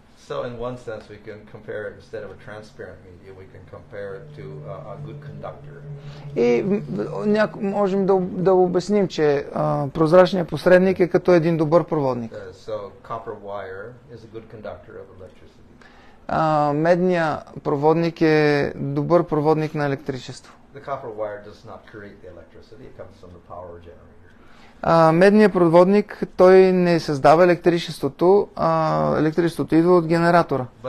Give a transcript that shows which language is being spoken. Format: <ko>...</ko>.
<en>So in one sense we can compare it instead of a transparent media we can compare it to a good conductor.</en> <bg>И някой можем да обясним, че прозрачният посредник е като един добър проводник.</bg> <en>So copper wire is a good conductor of electricity.</en> <bg>Медният проводник е добър проводник на електричество.</bg> <en>The copper wire does not create the electricity, it comes from the power generator.</en> <bg>Медният проводник, той не създава електричеството, електричеството идва от генератора.</bg>